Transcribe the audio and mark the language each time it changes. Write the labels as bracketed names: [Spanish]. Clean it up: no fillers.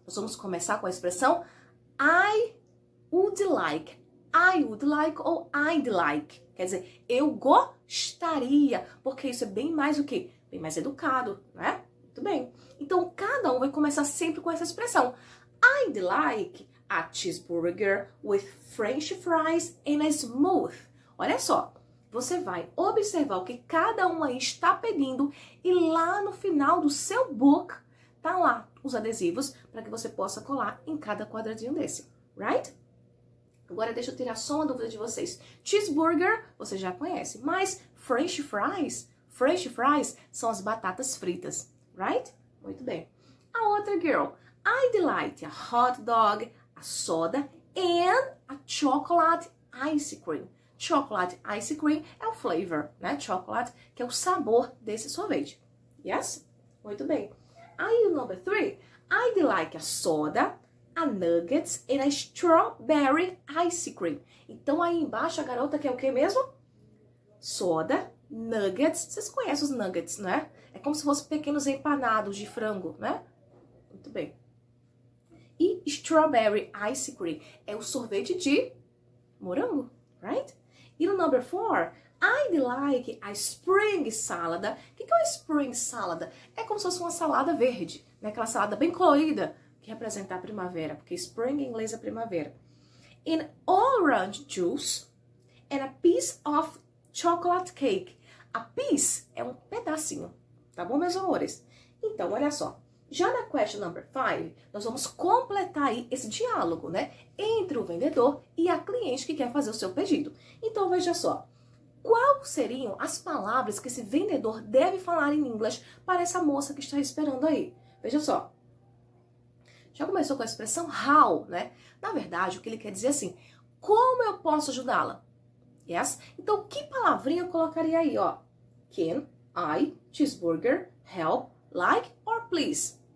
[Portuguese] Nós vamos começar com a expressão [English] I would like, I would like [Portuguese] ou [English] I'd like. [Portuguese] Quer dizer, eu gostaria, porque isso é bem mais o quê? Bem mais educado, né? Muito bem. Então, cada um vai começar sempre com essa expressão. [English] I'd like a cheeseburger with French fries and a smooth. [Portuguese] Olha só, você vai observar o que cada um aí está pedindo e lá no final do seu book tá lá os adesivos para que você possa colar em cada quadradinho desse, right? Agora deixa eu tirar só uma dúvida de vocês. Cheeseburger você já conhece, mas French fries? French fries são as batatas fritas, right? Muito bem. A outra [English] girl, I'd like a hot dog, a soda and a chocolate ice cream. [Portuguese] Chocolate ice cream é o flavor, né? Chocolate, que é o sabor desse sorvete. Yes? Muito bem. Aí o [English] number three, I'd like a soda, a nuggets and a strawberry ice cream. [Portuguese] Então aí embaixo a garota quer o quê mesmo? Soda, nuggets. Vocês conhecem os nuggets, não é? É como se fossem pequenos empanados de frango, né? Muito bem. E strawberry ice cream é o sorvete de morango, right? E no [English] number four, I'd like a spring salad. [Portuguese] O que é uma spring salad? É como se fosse uma salada verde, né? Aquela salada bem colorida, que representa a primavera, porque spring em inglês é primavera. [English] In orange juice and a piece of chocolate cake. [Portuguese] A piece é um pedacinho, tá bom, meus amores? Então, olha só. Já na [English] question number five, [Portuguese] nós vamos completar aí esse diálogo, né? Entre o vendedor e a cliente que quer fazer o seu pedido. Então, veja só. Qual seriam as palavras que esse vendedor deve falar em inglês para essa moça que está esperando aí? Veja só. Já começou com a expressão how, né? Na verdade, o que ele quer dizer é assim, como eu posso ajudá-la? Yes? Então, que palavrinha eu colocaria aí, ó? [English] Can I, cheeseburger, help, like or please?